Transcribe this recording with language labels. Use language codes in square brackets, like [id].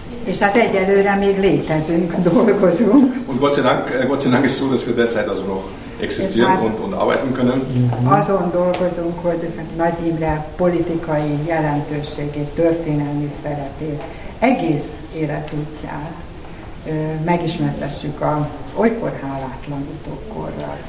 [hu] És hát egyelőre még létezünk, dolgozunk. [de] Und Gott sei Dank ist so, dass wir derzeit also noch existieren und arbeiten können. [hu] Azon dolgozunk, hogy Nagy Imre politikai jelentőségét, történelmi szerepét, egész életútját megismertessük a olykor hálátlan utókorral.